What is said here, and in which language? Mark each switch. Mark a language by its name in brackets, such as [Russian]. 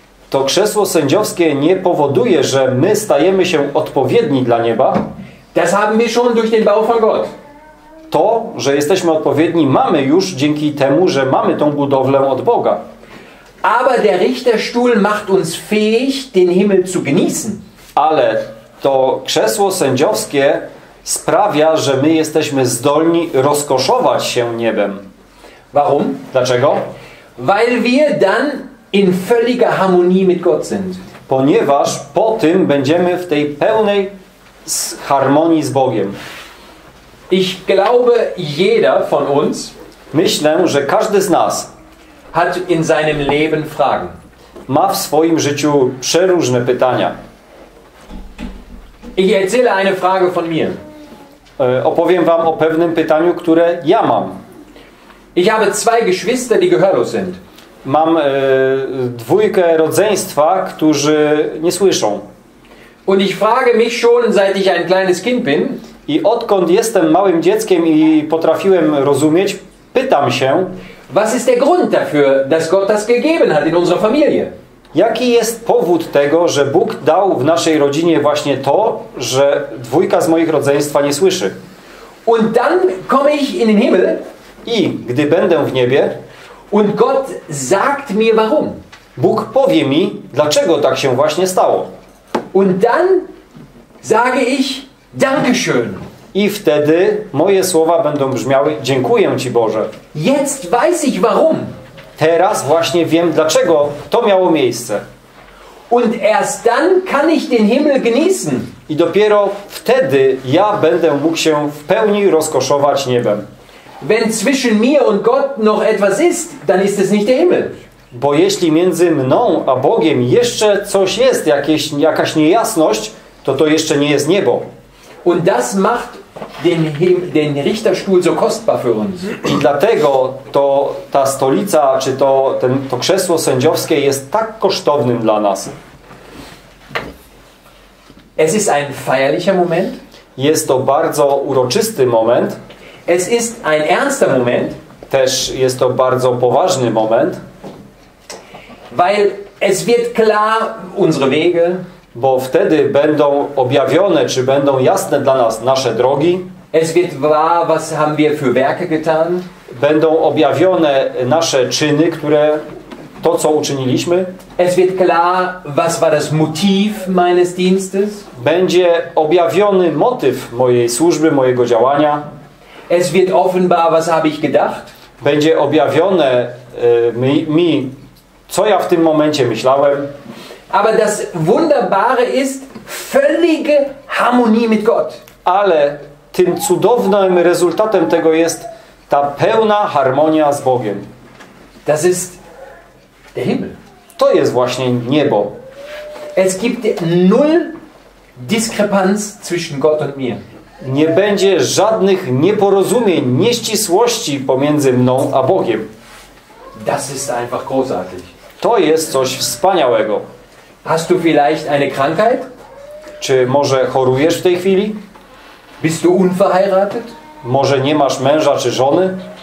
[Polish] To krzesło sędziowskie nie powoduje, że my stajemy się odpowiedni dla nieba. [German] Das haben wir schon durch den Bau von Gott. [Polish] To, że jesteśmy odpowiedni, mamy już dzięki temu, że mamy tą budowlę od Boga. [German] Aber der Richterstuhl macht uns fähig, den Himmel zu genießen. [Polish] Ale to krzesło sędziowskie sprawia, że my jesteśmy zdolni rozkoszować się niebem. [German] Warum? [Polish] Dlaczego? [German] Weil wir dann in völliger Harmonie mit Gott sind. [Polish] Ponieważ po tym będziemy w tej pełnej harmonii z Bogiem. [German] Ich glaube, jeder von uns, [Polish] myślę, że każdy z nas [German] hat in seinem Leben Fragen. [Polish] Ma w swoim życiu przeróżne pytania. [German] Ich erzähle eine Frage von mir. [Polish] Opowiem wam o pewnym pytaniu, które ja mam. [German] Ich habe zwei Geschwister, die gehörlos sind. [Polish] Mam dwójkę rodzeństwa, którzy nie słyszą. [German] Und ich frage mich schon, seit ich ein kleines Kind bin. [Polish] I odkąd jestem małym dzieckiem i potrafiłem rozumieć, pytam się, [German] was ist der Grund dafür, dass Gott das gegeben hat in unserer Familie? [Polish] Jaki jest powód tego, że Bóg dał w naszej rodzinie właśnie to, że dwójka z moich rodzeństwa nie słyszy? [German] Und dann komme ich in den Himmel. [Polish] I gdy będę w niebie, [German] und Gott sagt mir warum. [Polish] Bóg powie mi, dlaczego tak się właśnie stało. [German] Und dann sage ich Dankeschön. [Polish] I wtedy moje słowa będą brzmiały: dziękuję Ci, Boże. [German] Jetzt weiß ich warum. [Polish] Teraz właśnie wiem, dlaczego to miało miejsce. [German] Und erst dann kann ich den Himmel genießen. [Polish] I dopiero wtedy ja będę mógł się w pełni rozkoszować niebem. [German] Wenn zwischen mir und Gott noch etwas ist, dann ist es nicht der Himmel. [Polish] Bo jeśli między mną a Bogiem jeszcze coś jest, jakaś niejasność, to jeszcze nie jest niebo. [German] Und das macht den Richterstuhl so kostbar für uns. [Polish] I dlatego to ta stolica, czy to krzesło sędziowskie jest tak kosztownym dla nas. [German] Es ist ein feierlicher Moment. [Polish] Jest to bardzo uroczysty moment. [German] Es ist ein ernster Moment. [Polish] Też jest to bardzo poważny moment. [German] Weil es wird klar unsere Wege. [Polish] Bo wtedy będą objawione, czy będą jasne dla nas nasze drogi. [German] Es wird wahr, was haben wir für Werke getan. [Polish] Będą objawione nasze czyny, które to, co uczyniliśmy. [German] Es wird klar, was war das Motiv meines Dienstes. [Polish] Będzie objawiony motyw mojej służby, mojego działania. [German] Es wird offenbar, was habe ich gedacht. [Polish] Będzie objawione mi, co ja w tym momencie myślałem. [German] Aber das Wunderbare ist völlige Harmonie mit Gott. [Polish] Ale tym cudownym rezultatem tego jest ta pełna harmonia z Bogiem. [German] Das ist der Himmel. [Polish] To jest właśnie niebo. [German] Es gibt null Diskrepanz zwischen Gott und mir. [Polish] Nie będzie żadnych nieporozumień, nieścisłości pomiędzy mną a Bogiem. [German] Das ist einfach großartig. [Polish] To jest coś wspaniałego. [German] Hast du vielleicht eine Krankheit? [Polish] Czy może chorujesz w tej chwili? [German] Bist du unverheiratet? [Polish] Może nie masz męża czy żony?